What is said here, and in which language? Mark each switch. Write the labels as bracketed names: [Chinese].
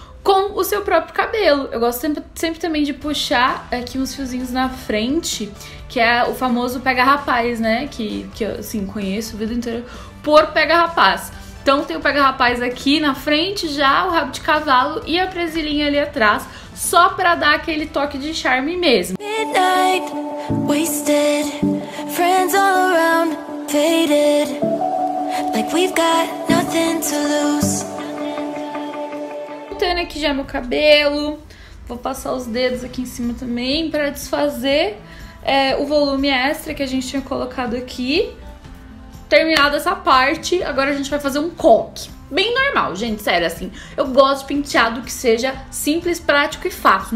[Portuguese] com o seu próprio cabelo. Eu gosto sempre também de puxar aqui uns fiozinhos na frente, que é o famoso pega rapaz, né? Que eu, assim, conheço a vida inteira por pega rapaz. Então tem o pega rapaz aqui na frente já, o rabo de cavalo e a presilhinha ali atrás, só pra dar aquele toque de charme mesmo. [English] Midnight, wasted, friends all around, faded, like we've got nothing to lose. [Portuguese] Montando aqui já meu cabelo, vou passar os dedos aqui em cima também pra desfazer o volume extra que a gente tinha colocado aqui. Terminada essa parte, agora a gente vai fazer um coque. Bem normal, gente, sério, assim, eu gosto de penteado que seja simples, prático e fácil.